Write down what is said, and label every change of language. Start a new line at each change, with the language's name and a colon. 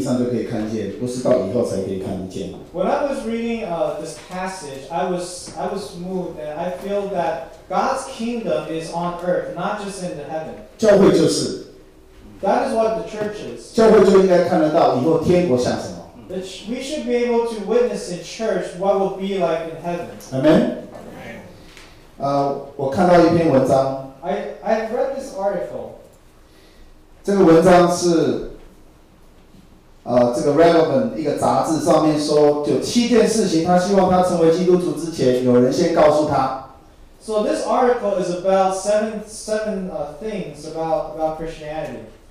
English: When I was reading this passage, I was moved, and I feel that God's kingdom is on earth, not just in the heaven.
Chinese: 教会就是,
English: that is what the church is.
Chinese: 教会就应该看得到以后天国像什么?
English: We should be able to witness in church what will be like in heaven.
Chinese: Amen. 我看到一篇文章,
English: I've read this article.
Chinese: 这个文章是, 这个 relevant 一个杂志上面说，就七件事情，他希望他成为基督徒之前，有人先告诉他。
English: So this article is about seven things about Christianity.